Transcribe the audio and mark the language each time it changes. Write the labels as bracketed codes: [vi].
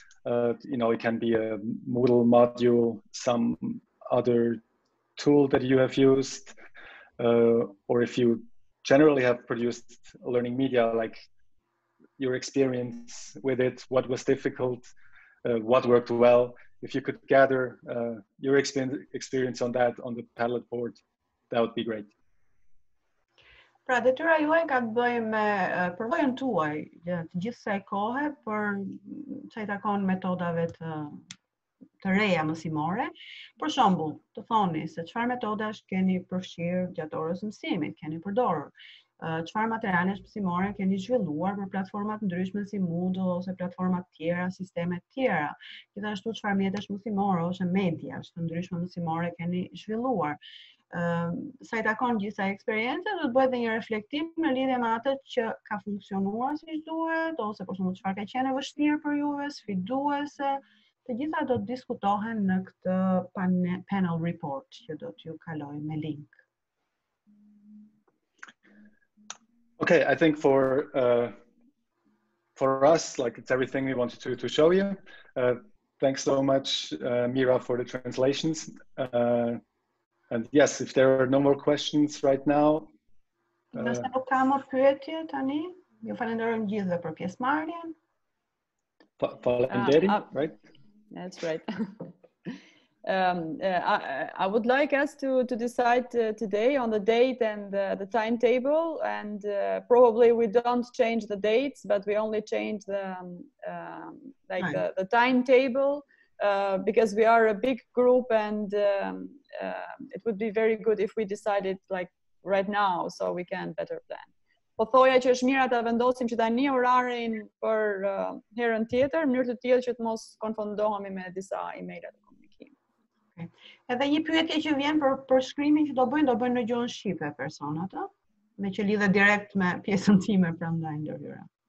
[en] You know, it can be a Moodle module, some other tool that you have used, or if you generally have produced learning media, like your experience with it, what was difficult, what worked well. If you could gather your experience on that on the Padlet board, that would be great. [sq] Pra detyra juaj ka të bëjë me përvojën tuaj gjatë gjithsej kohe për sa i takon metodave të reja mësimore. Për shembull, të thoni se çfarë metodash keni përfshirë gjatë orës mësimit, keni përdorur. Çfarë materiale mësimore keni zhvilluar për platformat ndryshme si Moodle ose platformat tjera, sisteme tjera. Gjithashtu çfarë mjetesh mësimore ose media të ndryshme mësimore keni zhvilluar. Sa i takon gjitha eksperiencë, do të bëhet dhe një reflektim në lidhje me atë që ka funksionuar si duhet, ose për shembull çfarë ka qenë vështirë për juve, sfiduese. Të gjitha do të diskutohen në këtë panel report që do t'ju kaloj me link. [en] Okay, I think for us, like it's everything we wanted to show you. Thanks so much, Mira, for the translations. And yes, if there are no more questions right now. [sq] Nëse nuk ka më pyetje tani, ju falenderojmë gjithë për pjesëmarrjen. Falenderoj, [en] right? That's right. I would like us to decide today on the date and the timetable, and probably we don't change the dates, but we only change the timetable because we are a big group and it would be very good if we decided like right now so we can better plan. [sq] Po thoja që është mira ta vendosim që tani orarin për herën tjetër, në mënyrë të tillë që të mos konfundohemi me disa emaila të komunikimit. [en] Okay. [sq] Edhe një pyetje që vjen për përshkrimin që do bëjnë në gjuhën shqipe personat, ëh, me që lidhet direkt me pjesën time prandaj ndërhyra.